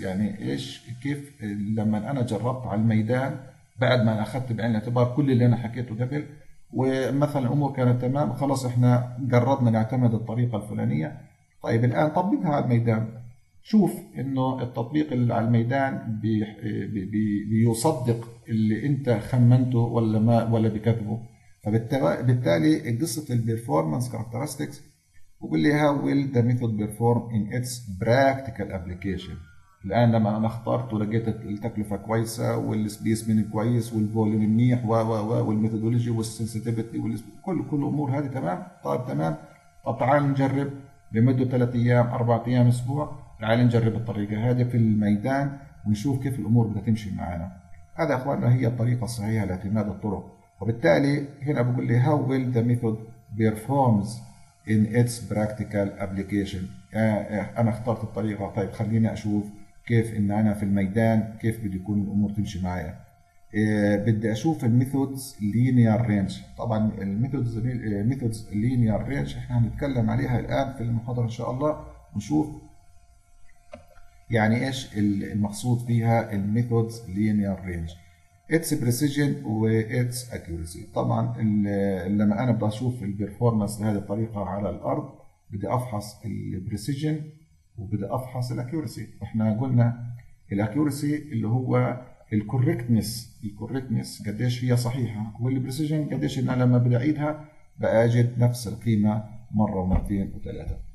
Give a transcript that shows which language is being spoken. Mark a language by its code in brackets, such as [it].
[ar] يعني ايش كيف لما انا جربت على الميدان بعد ما اخذت بعين الاعتبار كل اللي انا حكيته قبل ومثلا الامور كانت تمام خلاص احنا قررنا نعتمد الطريقه الفلانيه، طيب الآن طبقها على الميدان، شوف إنه التطبيق اللي على الميدان بيصدق اللي أنت خمنته ولا ما ولا بكذبه. فبالتالي قصة البرفورمانس كاركترستكس بقول لي [en] how will the method perform in its practical application. [ar] الآن لما أنا اخترت ولقيت التكلفة كويسة والسبيسمين كويس والفوليوم منيح و و و والميثودولوجي والسنسيتيفيتي كل الأمور هذه تمام، طيب تمام، طب تعال نجرب لمدة 3 أيام 4 أيام أسبوع، تعال نجرب الطريقة هذه في الميدان ونشوف كيف الأمور بتمشي معنا. هذا يا إخواننا هي الطريقة الصحيحة لاعتماد الطرق. وبالتالي هنا بقول لي [en] how will the method performs in its practical application. [ar] أنا اخترت الطريقة، طيب خليني أشوف كيف إن أنا في الميدان كيف بدي يكون الأمور تمشي معايا. بدي أشوف الميثودز لينير رينج. طبعا الميثودز لينير رينج إحنا هنتكلم عليها الآن في المحاضرة إن شاء الله، ونشوف يعني إيش المقصود فيها الميثودز لينير رينج. [en] its precision [ar] و [en] its accuracy. [ar] طبعا لما أنا بدي أشوف البرفورمانس لهذه الطريقة على الأرض بدي أفحص البريسيجن وبدي أفحص الأكيورسي. إحنا قلنا الأكيورسي اللي هو الكوركتنس قديش هي صحيحة، والبريسيجن قديش إن أنا لما بدي أعيدها بأجد نفس القيمة مرة ومرتين وثلاثة.